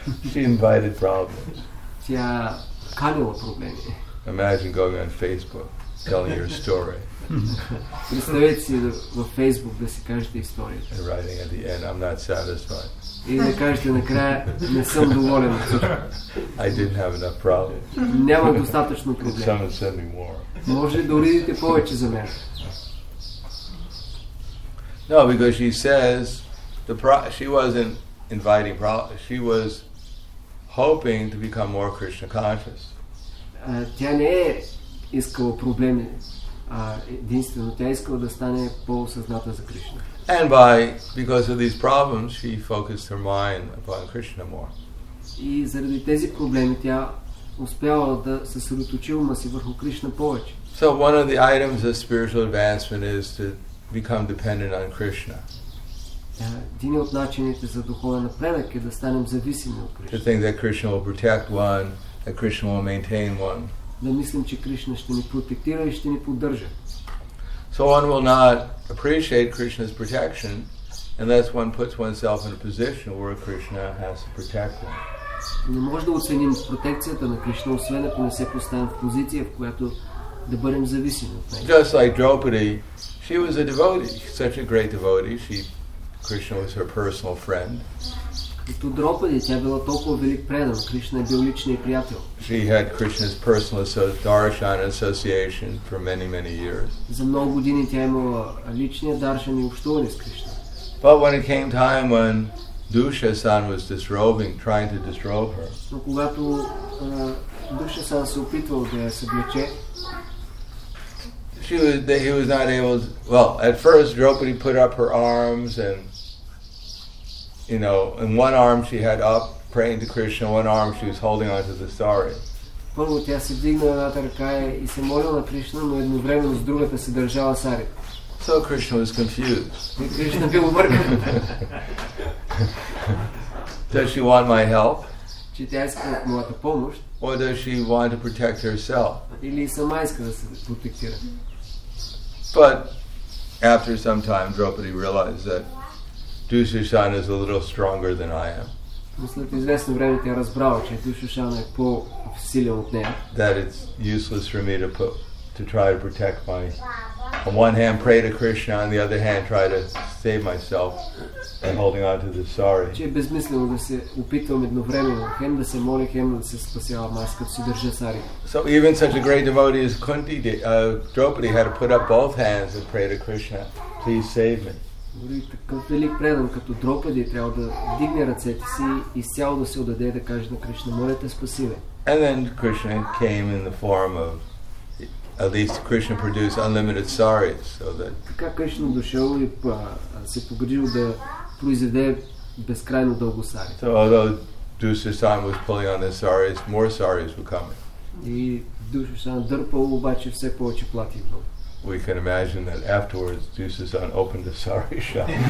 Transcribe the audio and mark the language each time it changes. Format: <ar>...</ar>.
<en>She invited problems. Imagine going on Facebook telling your story. And writing at the end, I'm not satisfied.</en> <bg>И да кажете накрая, не съм доволен.</bg> <en>I didn't have enough problems.</en> <bg>Няма достатъчно проблем.</bg> <en>Someone send me more.</en> <bg>Може да уредите повече за мен.</bg> <en>No, because she says the she wasn't inviting problems. She was hoping to become more Krishna conscious.</en> <bg>Тя не е искала проблеми. Единствено, тя искала да стане по-осъзната за Кришна.</bg> <en>And by because of these problems, she focused her mind upon Krishna more.</en> <bg>И заради тези проблеми тя успяла да се съсредоточи ума си върху Кришна повече.</bg> <en>So one of the items of spiritual advancement is to become dependent on Krishna.</en> <bg>Един от начините за духовен напредък е да станем зависими от Кришна.</bg> <en>To think that Krishna will protect one, that Krishna will maintain one.</en> <bg>Да мислим, че Кришна ще ни протектира и ще ни поддържа.</bg> <en>So one will not appreciate Krishna's protection unless one puts oneself in a position where Krishna has to protect one.</en> <bg>Не може да оценим протекцията на Кришна, освен ако не се поставим в позиция, в която да бъдем зависими от него.</bg> <en>Just like Draupadi, she was a devotee, such a great devotee. Krishna was her personal friend.</en> <bg>Като Драупади, тя била толкова велик предан. Кришна е бил личният приятел.</bg> <en>She had Krishna's personal darshan association for many, many years.</en> <bg>За много години тя имала личния даршан и общуване с Кришна.</bg> <en>But when it came time when Dushasan was disrobing, trying to disrobe her.</en> <bg>Но когато Dushasan се опитвал да я съблече,</bg> <en>he was not able to, well, at first Draupadi put up her arms and you know, in one arm she had up praying to Krishna, one arm she was holding onto the sari.</en> <bg>Първо тя се вдигна едната ръка и се молила на Кришна, но едновременно с другата се държала сари.</bg> <en>So Krishna was confused.</en> <bg>И Кришна бил объркан.</bg> <en>Does she want my help?</en> <bg>Че тя иска моята помощ.</bg> <en>Or does she want to protect herself?</en> <bg>Или сама иска да се протектира.</bg> <en>But after some time, Draupadi realized that Dushyanta is a little stronger than I am.</en> <bg>След известно време тя разбрала, че Dushyanta е по-силен от нея.</bg> <en>That it's useless for me to try to protect my. On one hand, pray to Krishna, on the other hand, try to save myself by holding on to the sari.</en> <bg>Че е безмислено да се опитвам едновременно, хем да се моля, хем да се спасявам, аз като си държа сари.</bg> <en>So even such a great devotee as Kunti, Draupadi had to put up both hands and pray to Krishna, please save me.</en> <bg>Дори такъв велик предан като Дропади трябва да дигне ръцете си и изцяло да се отдаде да каже на Кришна, моля те, спаси ме.</bg> <en>And then Krishna came in the form of at least Krishna produced unlimited saris, so that.</en> <bg>Така Кришна дошъл и се погрижил да произведе безкрайно дълго сари.</bg> <en>So although Dushyanta was pulling on the saris, more saris were coming.</en> <bg>И Dushyanta дърпал, обаче все повече плати идвало.</bg> <en>We can imagine that afterwards Dushyanta opened a sari shop.</en>